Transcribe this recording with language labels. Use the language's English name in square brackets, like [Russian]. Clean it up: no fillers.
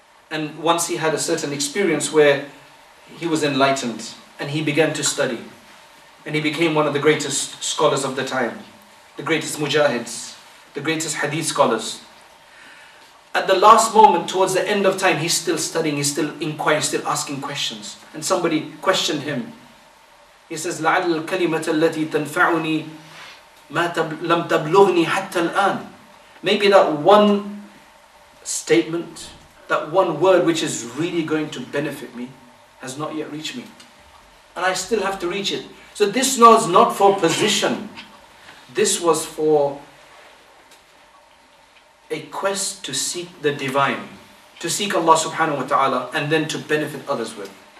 [English] And once he had a certain experience where he was enlightened and he began to study. And he became one of the greatest scholars of the time, the greatest mujahids, the greatest hadith scholars. At the last moment, towards the end of time, he's still studying, he's still inquiring, still asking questions. And somebody questioned him. He says, [Arabic] لَعَلَّ الْكَلِمَةَ الَّتِي تَنْفَعُنِي مَا لَمْ تَبْلُغْنِي حَتَّى الْآنِ. [English] Maybe that one statement, that one word which is really going to benefit me, has not yet reached me. And I still have to reach it. So this was not for position. This was for a quest to seek the divine, to seek Allah subhanahu wa ta'ala, and then to benefit others with.